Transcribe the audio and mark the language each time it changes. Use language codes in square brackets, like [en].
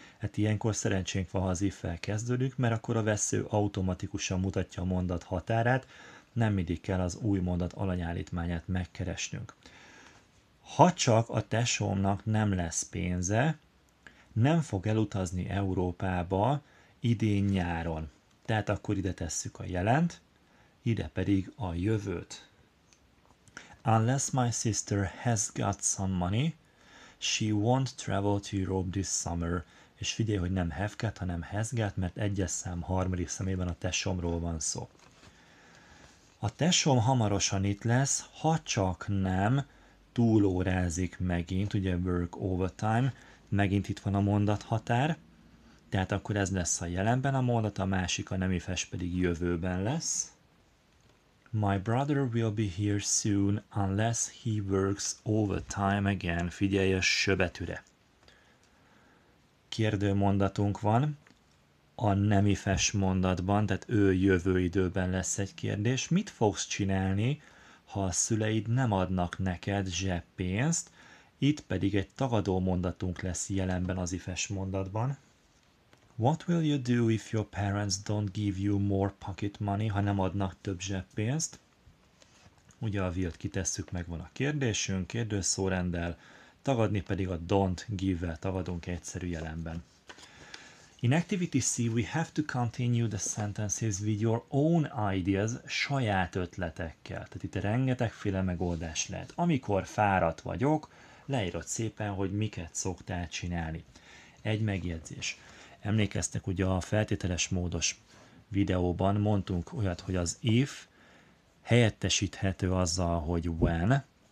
[hu] Hát ilyenkor szerencsénk van, ha az if-fel kezdődünk, mert akkor a vesző automatikusan mutatja a mondat határát, nem mindig kell az új mondat alanyállítmányát megkeresnünk. Ha csak a tesómnak nem lesz pénze, nem fog elutazni Európába idén-nyáron. Tehát akkor ide tesszük a jelent, ide pedig a jövőt. [en] Unless my sister has got some money, she won't travel to Europe this summer. [hu] És figyelj, hogy nem have got, hanem has got, mert egyes szám harmadik szemében a tesómról van szó. A tesóm hamarosan itt lesz, ha csak nem túlórázik megint, ugye [en] work overtime, [hu] megint itt van a mondathatár, tehát akkor ez lesz a jelenben a mondat, a másik a nemifes pedig jövőben lesz. [en] My brother will be here soon unless he works overtime again. [hu] Figyelj a söbetűre. Kérdő mondatunk van. A nemifes mondatban, tehát ő jövő időben lesz egy kérdés. Mit fogsz csinálni, ha a szüleid nem adnak neked zseppénzt? Itt pedig egy tagadó mondatunk lesz jelenben az ifes mondatban. [en] What will you do if your parents don't give you more pocket money, [hu] ha nem adnak több zseppénzt? Ugye a will-t kitesszük, meg van a kérdésünk, kérdőszórenddel, tagadni pedig a don't give-vel tagadunk egyszerű jelenben. [en] In activity C, we have to continue the sentences with your own ideas, [hu] saját ötletekkel. Tehát itt rengetegféle megoldás lehet. Amikor fáradt vagyok, leírod szépen, hogy miket szoktál csinálni. Egy megjegyzés. Emlékeztek, ugye a feltételes módos videóban mondtunk olyat, hogy az if helyettesíthető azzal, hogy when.